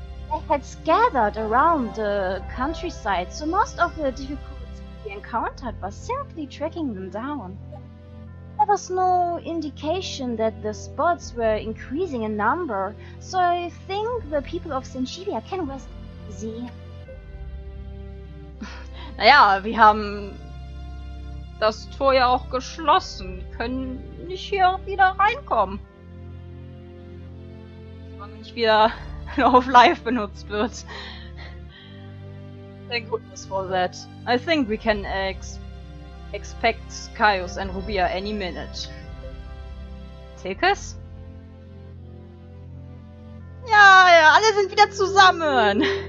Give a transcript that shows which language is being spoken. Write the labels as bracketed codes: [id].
[en] They had scattered around the countryside, so most of the difficulties we encountered was simply tracking them down. There was no indication that the spots were increasing in number, so I think the people of Senshibia can rest easy. [de] Naja, wir haben das Tor ja auch geschlossen. Wir können nicht hier wieder reinkommen. Wenn man nicht wieder auf live benutzt wird. [en] Thank goodness for that. I think we can expect Caius and Rubia any minute. Tickets? [de] Ja, ja, alle sind wieder zusammen!